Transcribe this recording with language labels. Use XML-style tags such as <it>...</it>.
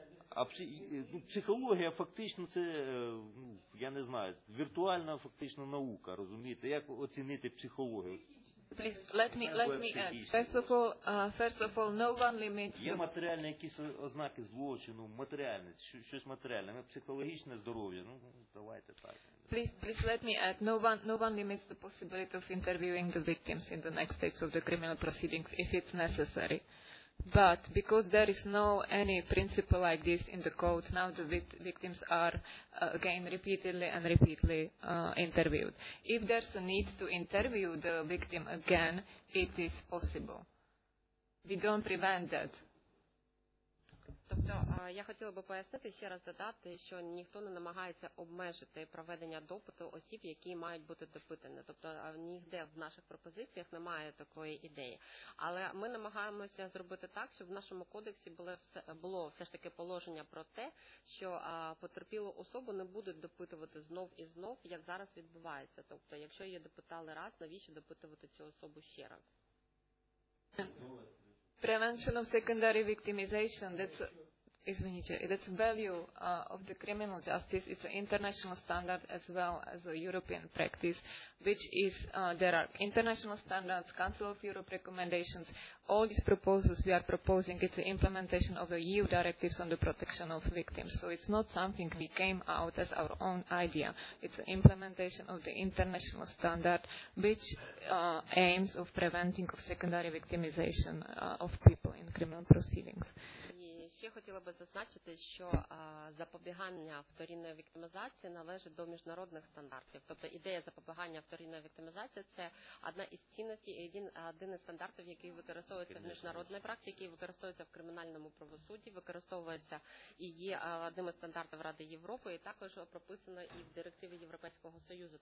<uk>А психологія фактично це, ну, я не знаю, віртуальна фактично наука, розумієте? Як оцінити психологію?</uk> <en>Please let me add. First of all, no one limits.</en> <uk>Є матеріальні якісь ознаки злочину, матеріальне, щось матеріальне, психологічне здоров'я. Ну, давайте так.</uk> <en>Please let me add. No one limits the possibility of interviewing the victims in the next stage of the criminal proceedings if it's necessary. But because there is no any principle like this in the code, now the victims are again repeatedly and repeatedly interviewed. If there's a need to interview the victim again, it is possible. We don't prevent that.</en> <uk>Тобто я хотіла би пояснити, ще раз додати, що ніхто не намагається обмежити проведення допиту осіб, які мають бути допитані. Тобто ніде в наших пропозиціях немає такої ідеї. Але ми намагаємося зробити так, щоб в нашому кодексі було все ж таки положення про те, що потерпілу особу не будуть допитувати знов і знов, як зараз відбувається. Тобто якщо її допитали раз, навіщо допитувати цю особу ще раз?</uk> <en>Prevention of secondary victimization, that's a value of the criminal justice. It's an international standard as well as a European practice, which is, there are international standards, Council of Europe recommendations, all these proposals we are proposing, it's an implementation of the EU directives on the protection of victims. So it's not something we came out as our own idea. It's an implementation of the international standard, which aims of preventing of secondary victimization of people in criminal proceedings.</en> <uk>Ще хотіла би зазначити, що запобігання вторинної віктимізації належить до міжнародних стандартів. Тобто ідея запобігання вторинної віктимізації – це одна із цінностей і один із стандартів, який використовується в міжнародній практиці, який використовується в кримінальному правосудді, використовується і є одним із стандартів Ради Європи, і також прописано і в директиві Європейського Союзу.</uk>